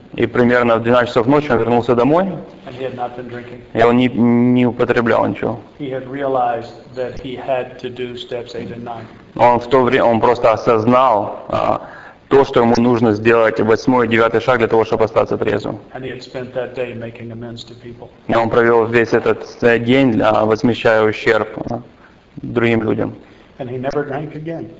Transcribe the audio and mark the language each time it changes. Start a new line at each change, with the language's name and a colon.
Russian: И примерно в 12 часов ночи он вернулся домой,
English: and he had not been drinking.
Russian: И он не употреблял ничего.
English: He had realized that he had to do steps 8 and 9.
Russian: Он в то время, он просто осознал то, что ему нужно сделать 8-й и 9-й шаг для того, чтобы остаться трезвым. И он провел весь этот день, возмещая ущерб другим людям.
English: And he never drank again.